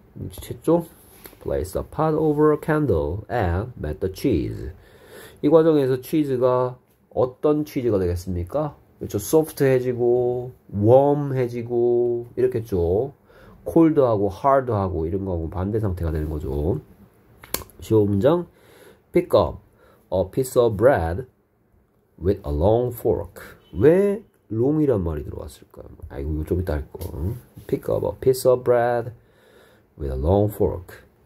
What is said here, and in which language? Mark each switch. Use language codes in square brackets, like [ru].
[ko] 최초. [en] Place a pot over a candle and melt the cheese. [ko] 이 과정에서 치즈가 어떤 치즈가 되겠습니까? 그렇죠. 소프트해지고 웜해지고 이렇겠죠. 콜드하고 하드하고 이런 거하고 반대 상태가 되는 거죠. 쉬운 문장. [en] Pick up a piece of bread with a long fork. [ko] 왜 롱이란 말이 들어왔을까요? 아이고 이거 좀 이따 할 거. [en] Pick up a piece of bread with a long fork.